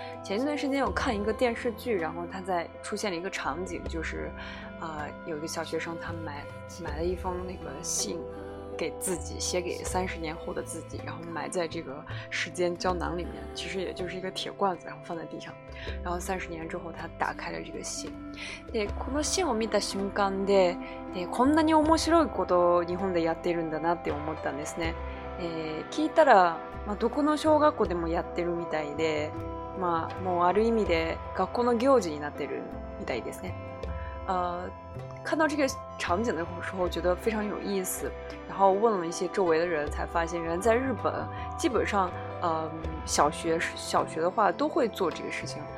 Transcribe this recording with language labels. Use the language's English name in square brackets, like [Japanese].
[Chinese] 前段時間我看一个电视剧，然后他在出现了一个场景，就是，有一个小学生他买了一封那个信，给自己写给30年后的自己，然后埋在这个时间胶囊里面，其实也就是一个铁罐子，然后放在地上，然后30年之后他打开了这个信。 [Japanese] でこの信を見た瞬間で、こんなに面白いことを日本でやっているんだなって思ったんですね。聞いたら。どこの小学校でもやってるみたいで、もうある意味で学校の行事になってるみたいですね。 [Chinese] 看到这个场景的时候，觉得非常有意思。然后问了一些周围的人，才发现原来在日本，基本上，小学的话都会做这个事情。